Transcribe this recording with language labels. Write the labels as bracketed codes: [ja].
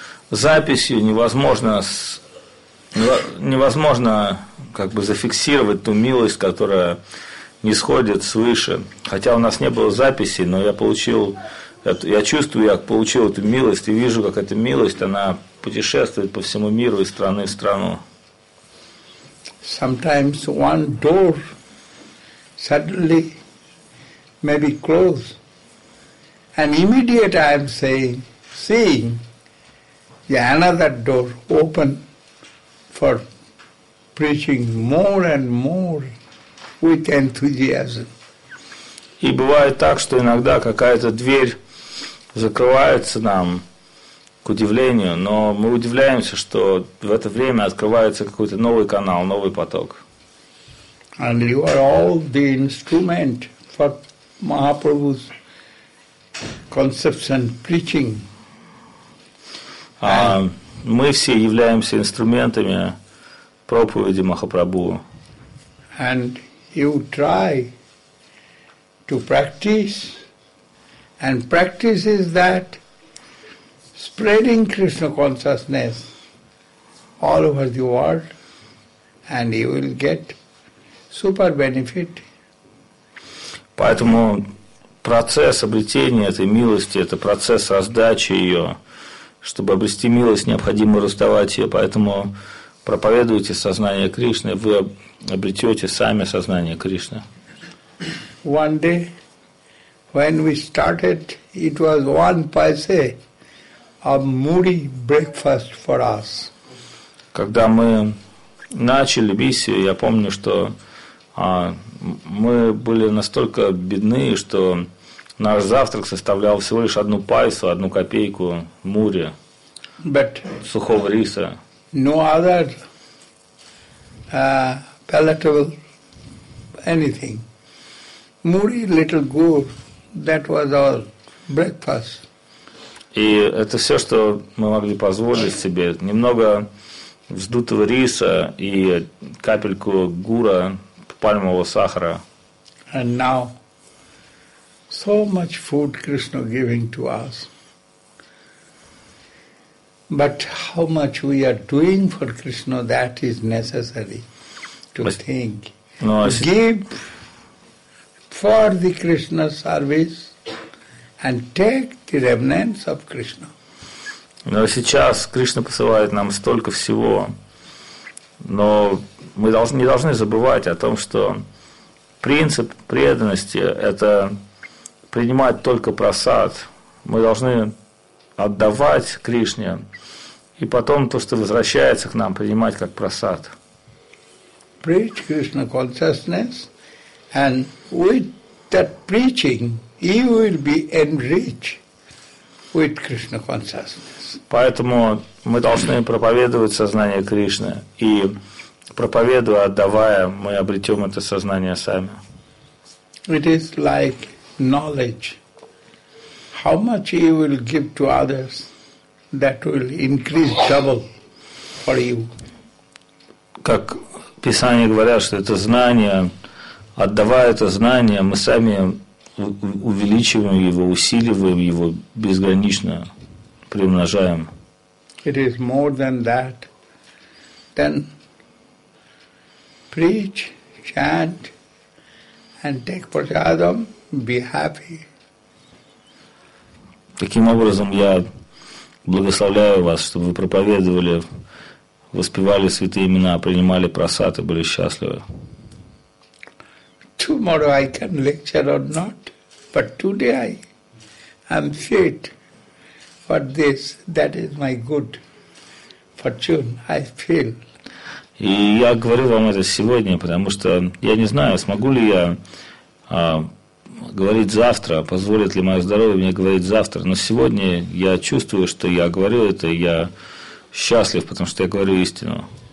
[ru] Записью невозможно как бы зафиксировать ту милость, которая нисходит свыше. Хотя у нас не было записи, но я чувствую, как получил эту милость, и вижу, как эта милость, она путешествует по всему миру из страны в страну. [en] Sometimes one door suddenly may be closed, and immediately I'm saying, seeing another door open for preaching more and more with enthusiasm. [ru] И бывает так, что иногда какая-то дверь закрывается нам, к удивлению, но мы удивляемся, что в это время открывается какой-то новый канал, новый поток. [en] And you are all the instrument for Mahaprabhu's conception preaching. [ru] Мы все являемся инструментами проповеди Махапрабху. [en] And you try to practice, and practice is that spreading Krishna consciousness all over the world, and you will get super benefit. [ru] Поэтому процесс обретения этой милости – это процесс раздачи ее. Чтобы обрести милость, необходимо раздавать ее. Поэтому проповедуйте сознание Кришны, вы обретете сами сознание Кришны. [en] One day, when we started, it was 1 paise of moody breakfast for us. [ru] Когда мы начали миссию, я помню, что мы были настолько бедны, что наш завтрак составлял всего лишь 1 пайсу, 1 копейку мури. [en] But [ru] сухого риса. [en] No other palatable anything. Muri, little gur, that was our breakfast. [ru] И это все, что мы могли позволить себе. Немного вздутого риса и капельку гура, пальмового сахара. [en] And now so much food Krishna giving to us. But how much we are doing for Krishna, that is necessary to think. No, give for the Krishna service and take the remnants of Krishna. [ru] Но сейчас Кришна посылает нам столько всего, но мы не должны забывать о том, что принцип преданности – это принимать только просад. Мы должны отдавать Кришне, и потом то, что возвращается к нам, принимать как просад. [en] Preach Krishna consciousness, and with that preaching, you will be enriched. with Krishna consciousness. [ru] Поэтому мы должны проповедовать сознание Кришны, и проповедуя, отдавая, мы обретем это сознание сами. [en] It is like knowledge. How much you will give to others, that will increase double for you. [ru] Как Писание говорят, что это знание, отдавая это знание, мы сами увеличиваем его, усиливаем его, безгранично приумножаем. [en] It is more than that. Then preach, chant, and take prasadam, be happy. [ru] Таким образом, я благословляю вас, чтобы вы проповедовали, воспевали святые имена, принимали просад и были счастливы. [en] Tomorrow I can lecture or not, but today I am fit for this. That is my good fortune, I feel. [ru] И я говорю вам это сегодня, потому что я не знаю, смогу ли я говорить завтра, позволит ли мое здоровье мне говорить завтра, но сегодня я чувствую, что я говорю это, и я счастлив, потому что я говорю истину.